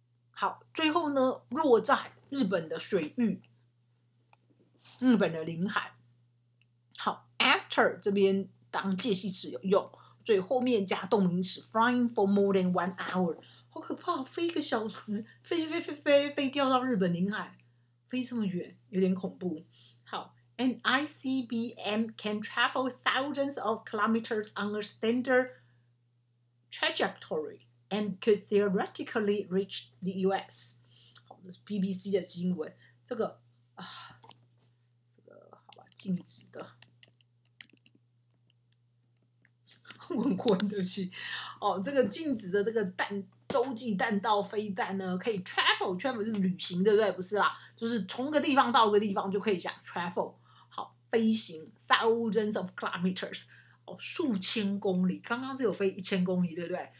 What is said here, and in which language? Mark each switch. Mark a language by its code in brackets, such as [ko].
[zh] 好，最后呢落在日本的水域，日本的领海。好 ，after 这边当介系词有用，所以后面加动名词 [en] flying for more than 1 hour。 [zh] 好可怕，飞一个小时，飞掉到日本领海，飞这么远，有点恐怖。 [en] 好 ，an ICBM can travel thousands of kilometers on a standard trajectory and could theoretically reach the U.S. [zh] 好，这是 BBC 的新闻，这个好吧，禁止的。问过你东西，哦，这个禁止的这个弹洲际弹道飞弹呢，可以 travel 是旅行，对不对？不是啦，就是从个地方到个地方就可以讲 travel， 好，飞行 [en] thousands of kilometers， [zh] 哦，数千公里，刚刚只有飞1000公里，对不对？